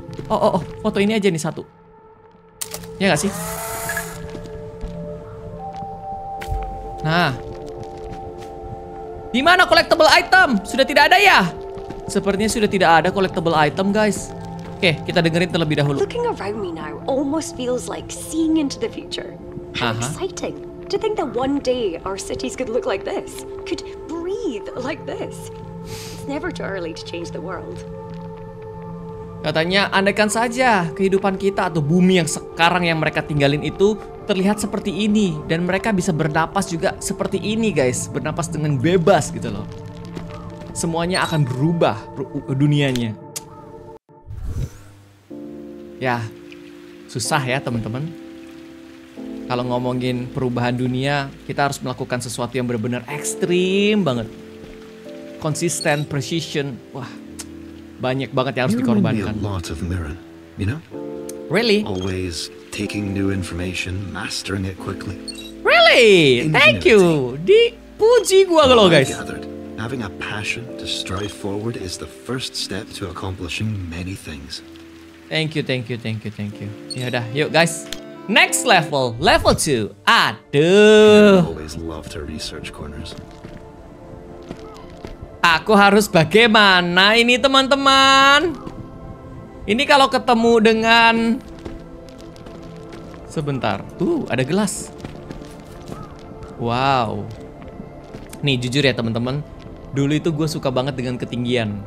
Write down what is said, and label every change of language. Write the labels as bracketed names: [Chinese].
[Indonesian] Oh, foto ini aja nih satu. Ya enggak sih? Nah. Di mana collectible item? Sudah tidak ada ya? Sepertinya sudah tidak ada collectible item, guys. Oke, kita dengerin terlebih dahulu. [English] Looking around me now almost feels like seeing into the future. How exciting to think that one day our cities could look like this, could breathe like this. It's never too early to change the world. [Indonesian] Katanya, andaikan saja kehidupan kita atau bumi yang sekarang yang mereka tinggalin itu terlihat seperti ini dan mereka bisa bernapas juga seperti ini, guys, bernapas dengan bebas gitu loh. Semuanya akan berubah dunianya. Ya, susah ya teman-teman. Kalau ngomongin perubahan dunia, kita harus melakukan sesuatu yang benar-benar ekstrim banget. Konsisten, precision, wah, banyak banget yang harus dikorbankan. [English] Lots of Mirren, you know? Really? Always taking new information, mastering it quickly. Really? Thank you. [Indonesian] Dipuji gua loh, guys. [English] Having a passion to strive forward is the first step to accomplishing many things. Thank you. [Indonesian] Yaudah, yuk guys. [English] Next level, level 2. [Indonesian] Aduh. [English] Always loved her research corners. [Indonesian] Aku harus bagaimana ini, teman-teman? Ini kalau ketemu dengan... Sebentar. Ada gelas. Wow. Nih, jujur ya, teman-teman. Dulu itu gue suka banget dengan ketinggian.